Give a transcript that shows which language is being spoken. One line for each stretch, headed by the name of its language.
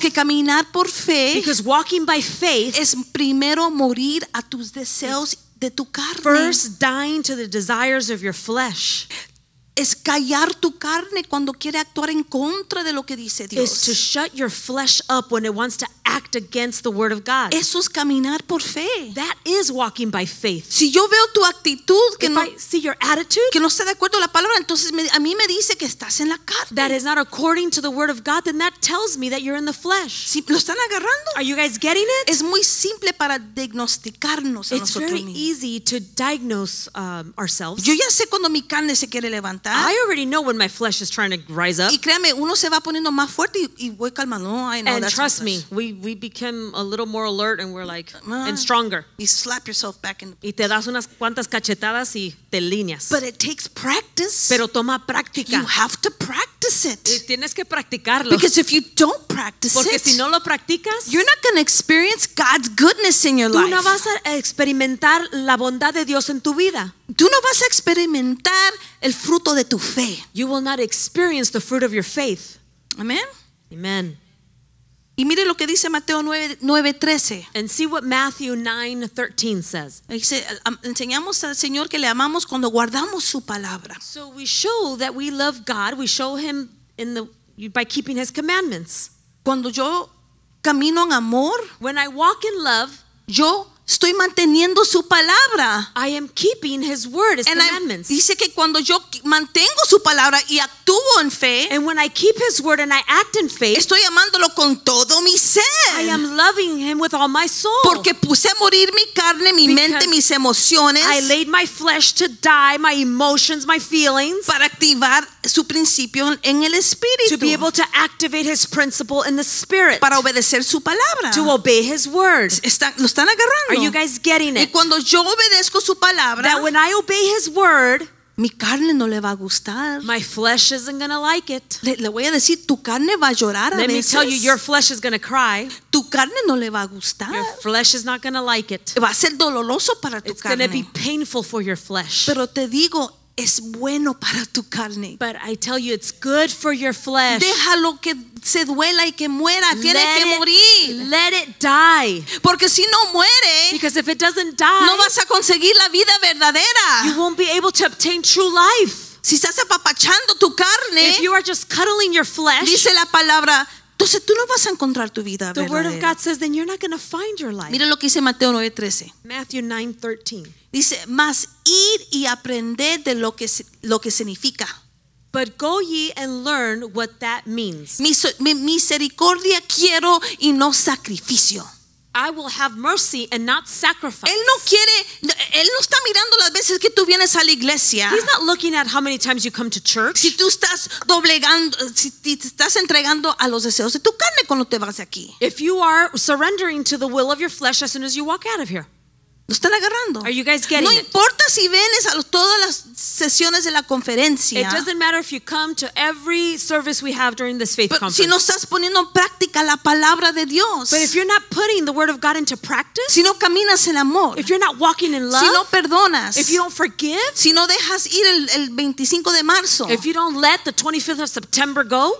Spanish: Porque caminar por fe,
English: because walking by faith,
Spanish: es primero morir a tus deseos de tu carne.
English: First dying to the desires of your flesh.
Spanish: Es callar tu carne cuando quiere actuar en contra de lo que dice Dios.
English: Is to shut your flesh up when it wants to act against the word of God.
Spanish: Eso es caminar por fe.
English: That is walking by faith.
Spanish: Si yo veo tu actitud que no,
English: if I see your attitude,
Spanish: que no está de acuerdo a la palabra, entonces a mí me dice que estás en la carne.
English: That is not according to the word of God, then that tells me that you're in the flesh.
Spanish: Si, ¿lo están agarrando?
English: Are you guys getting it?
Spanish: Es muy simple para diagnosticarnos a
English: it's
Spanish: nosotros
English: very
Spanish: mismos.
English: Easy to diagnose ourselves.
Spanish: Yo ya sé cuando mi carne se quiere levantar.
English: I already know when my flesh is trying to rise up.
Spanish: Y créame, uno se va poniendo más fuerte y voy calmando.
English: No, I know. And trust me, we become a little more alert and we're like and stronger. You slap yourself back in.
Spanish: Y te das unas cuantas cachetadas y te líneas.
English: But it takes practice.
Spanish: Pero toma práctica.
English: You have to practice it.
Spanish: Y tienes que practicarlo.
English: Because if you don't practice
Spanish: porque
English: it,
Spanish: si no lo practicas,
English: you're not going to experience God's goodness in your
Spanish: tú
English: life.
Spanish: Tú no vas a experimentar la bondad de Dios en tu vida. Tú no vas a experimentar el fruto de tu fe.
English: You will not experience the fruit of your faith. Amen. Amen.
Spanish: Y mire lo que dice Mateo 9:13.
English: And see what Matthew 9:13 says.
Spanish: Dice, enseñamos al Señor que le amamos cuando guardamos su palabra.
English: So we show that we love God. We show Him in the by keeping His commandments.
Spanish: Cuando yo camino en amor,
English: when I walk in love,
Spanish: yo estoy manteniendo su palabra.
English: I am keeping His word, His commandments.
Spanish: Dice que cuando yo mantengo su palabra y actúo en fe,
English: and when I keep His word and I act in faith,
Spanish: estoy amándolo con todo mi ser.
English: I am loving Him with all my soul.
Spanish: Porque puse a morir mi carne, mi mente, mis emociones.
English: I laid my flesh to die, my emotions, my feelings.
Spanish: Para activar su principio en el espíritu.
English: To be able to activate his principle in the spirit.
Spanish: Para obedecer su palabra.
English: To obey his word.
Spanish: Lo están agarrando.
English: Are you guys getting it?
Spanish: Y cuando yo obedezco su palabra,
English: that when I obey his word,
Spanish: mi carne no le va a gustar.
English: My flesh isn't gonna like it.
Spanish: Le voy a decir, tu carne va a llorar a veces.
English: me tell you, your flesh is gonna cry.
Spanish: Tu carne no le va a gustar.
English: Your flesh is not gonna like it.
Spanish: Va a ser doloroso para tu
English: it's
Spanish: carne.
English: It's gonna be painful for your flesh.
Spanish: Pero te digo, es bueno para tu carne.
English: But I tell you, it's good for your flesh.
Spanish: Déjalo que se duela y que muera. Tiene que morir.
English: Let it die.
Spanish: Porque si no muere,
English: because if it doesn't die,
Spanish: no vas a conseguir la vida verdadera.
English: You won't be able to obtain true life.
Spanish: Si estás apapachando tu carne,
English: if you are just cuddling your flesh,
Spanish: dice la palabra, entonces tú no vas a encontrar tu vida verdadera.
English: The word of God says, then you're not going to find your life.
Spanish: Mira lo que dice Mateo 9:13.
English: Matthew 9:13.
Spanish: Dice, mas ir y aprender de lo que significa.
English: But go ye and learn what that means.
Spanish: Misericordia quiero y no sacrificio.
English: I will have mercy and not sacrifice.
Spanish: Él no está mirando las veces que tú vienes a la iglesia.
English: He's not looking at how many times you come to church.
Spanish: Si tú estás doblegando, si te estás entregando a los deseos de tu carne cuando te vas de aquí.
English: If you are surrendering to the will of your flesh as soon as you walk out of here.
Spanish: Lo están agarrando.
English: Are you guys getting
Spanish: it? No importa si vienes a todas las sesiones de la conferencia.
English: It doesn't matter if you come to every service we have during this faith conference.
Spanish: Si no estás poniendo en práctica la palabra de Dios.
English: But if you're not putting the word of God into practice.
Spanish: Si no caminas en amor.
English: If you're not walking in love.
Spanish: Si no perdonas.
English: If you don't forgive.
Spanish: Si no dejas ir el 25 de marzo.
English: If you don't let the 25th of September go.